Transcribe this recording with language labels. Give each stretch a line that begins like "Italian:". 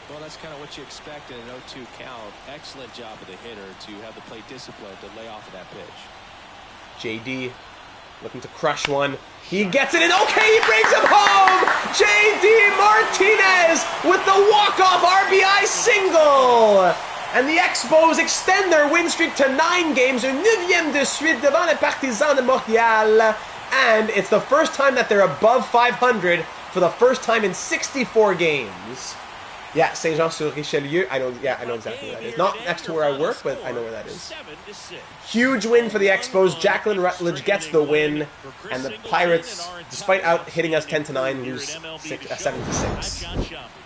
English: Well, that's kind of what you expect in an 0-2 count. Excellent job of the hitter to have the plate discipline to lay off of that pitch. JD looking to crush one. He gets it in. Okay, he brings him home. JD Martinez with the walk-off RBI single. And the Expos extend their win streak to 9 games.
French: Une 9e de suite devant les Partisans de Montréal.
English: And it's the first time that they're above 500 for the first time in 64 games. Yeah, Saint-Jean-sur-Richelieu. I know exactly where that is. Not next to where I work, but I know where that is. Huge win for the Expos. Jaclyn Rutledge gets the win. And the Pirates, despite out hitting us 10-9, lose 7-6.